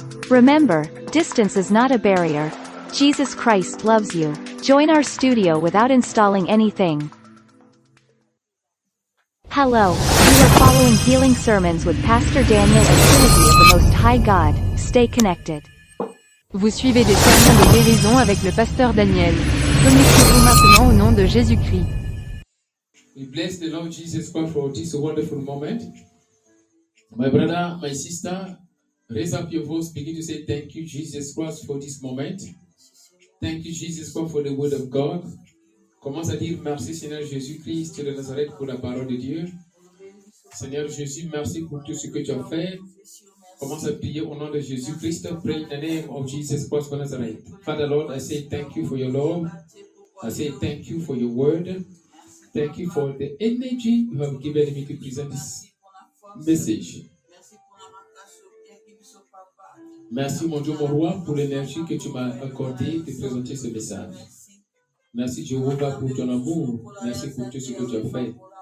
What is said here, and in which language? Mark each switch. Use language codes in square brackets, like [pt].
[en] Remember, distance is not a barrier. Jesus Christ loves you. Join our studio without installing anything. Hello, you are following Healing Sermons with Pastor Daniel and Trinity of the Most High God. Stay connected. [fr] Vous suivez des sermons de guérison avec le pasteur Daniel. Connectez-vous maintenant au nom de Jésus-Christ. [en] We bless the Lord Jesus Christ for this wonderful moment. My brother, my sister, raise up your voice, begin to say thank you, Jesus Christ, for this moment. Thank you, Jesus Christ, for the word of God. [fr] Commence à dire merci, Seigneur Jésus-Christ de Nazareth, pour la parole de Dieu. Seigneur Jésus, merci pour tout ce que tu as fait. Commence à prier au nom de Jésus Christ. [en] Pray in the name of Jesus Christ of Nazareth. Father Lord, I say thank you for your love. I say thank you for your word. Thank you for the energy you have given me to present this message. [fr] Merci mon Dieu, mon roi, pour l'énergie que tu m'as accordée de présenter ce message. Merci Jéhovah pour ton amour. Merci pour tout ce que tu as fait.